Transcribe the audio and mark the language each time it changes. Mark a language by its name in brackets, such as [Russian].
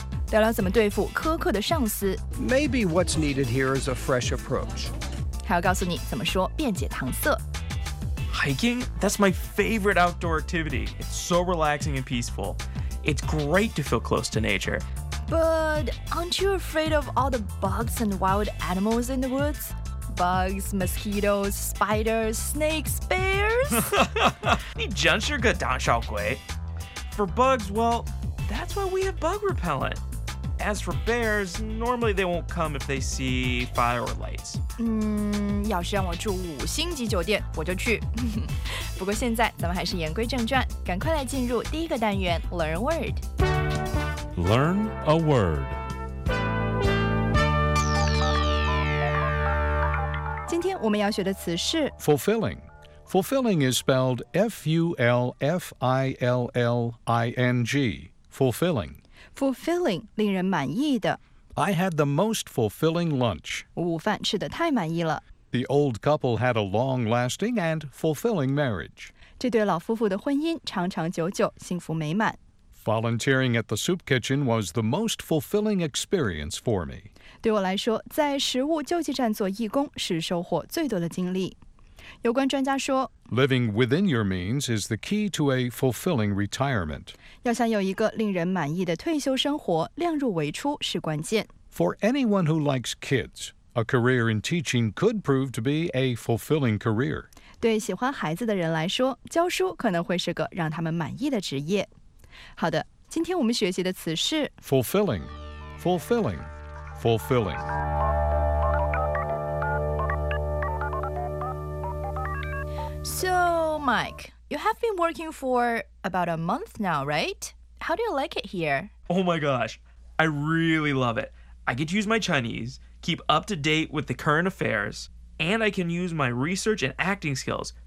[Chinese] 聊聊怎么对付苛刻的上司。 [English] Maybe what's needed here is a fresh approach. [Chinese] 还要告诉你怎么说辩解搪塞。 [English] Hiking? That's my favorite outdoor activity. It's so relaxing and peaceful. It's great to feel close to nature. But aren't you afraid of all the bugs and wild animals in the woods? Bugs, mosquitoes, spiders, snakes, bears? [Chinese] 你真是个胆小鬼。 [English] For bugs, well, that's why we have bug repellent. As for bears, normally they won't come if they see fire or lights. [Chinese] 要是让我住五星级酒店，我就去。不过现在咱们还是言归正传，赶快来进入第一个单元 ， [English] Learn a word. Learn a word. [Chinese] 今天我们要学的词是 [English] fulfilling. Fulfilling is spelled F-U-L-F-I-L-L-I-N-G. Fulfilling. [Chinese] Fulfilling, 令人满意的。 [English] I had the most fulfilling lunch. [Chinese] 我午饭吃得太满意了。 [English] The old couple had a long-lasting and fulfilling marriage. [Chinese] 这对老夫妇的婚姻长长久久，幸福美满。 [English] Volunteering at the soup kitchen was the most fulfilling experience for me. [Chinese] 对我来说，在食物救济站做义工是收获最多的经历。有关专家说 [English] Living within your means is the key to a fulfilling retirement. [Chinese] 要想有一个令人满意的退休生活，量入为出是关键。 [English] For anyone who likes kids, a career in teaching could prove to be a fulfilling career. [Chinese] 对喜欢孩子的人来说，教书可能会是个让他们满意的职业。好的，今天我们学习的词是 [English] Fulfilling, fulfilling, fulfilling. So, Mike, you have been working for about a month now, right? How do you like it here? Oh my gosh, I really love it. I get to use my Chinese, keep up to date with the current affairs, and I can use my research and acting skills.